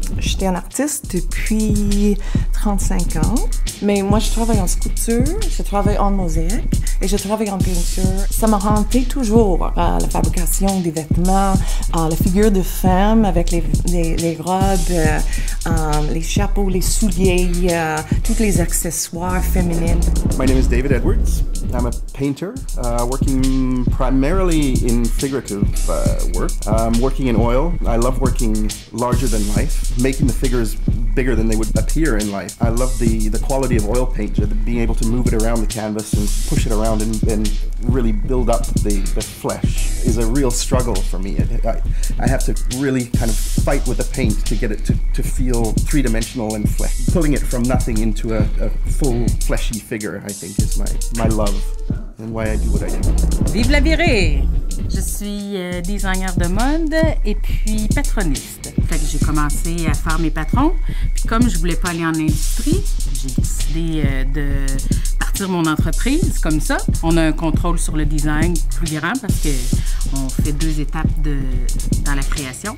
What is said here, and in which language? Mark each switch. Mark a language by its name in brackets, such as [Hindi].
[French] J'étais un artiste depuis 35 ans, mais moi, je travaille en sculpture, je travaille en mosaïque et je travaille en peinture. Ça m'a hanté toujours, la fabrication des vêtements, la figure de femme avec les robes, les chapeaux, les souliers, tous les accessoires féminins. [English] My name is David Edwards. I'm a painter, working primarily in figurative work. I'm working in oil. I love working larger than life, making the figures bigger than they would appear in life. I love the quality of oil paint, being able to move it around the canvas and push it around and really build up the flesh is a real struggle for me. I have to really kind of fight with the paint to get it to feel three-dimensional and flesh. Pulling it from nothing into a full fleshy figure, I think, is my love and why I do what I do. [French] Vive la virée! Je suis designer de mode et puis patroniste. Fait que j'ai commencé à faire mes patrons. Puis comme je voulais pas aller en industrie, j'ai décidé de partir mon entreprise comme ça. On a un contrôle sur le design plus grand parce que on fait 2 étapes dans la création.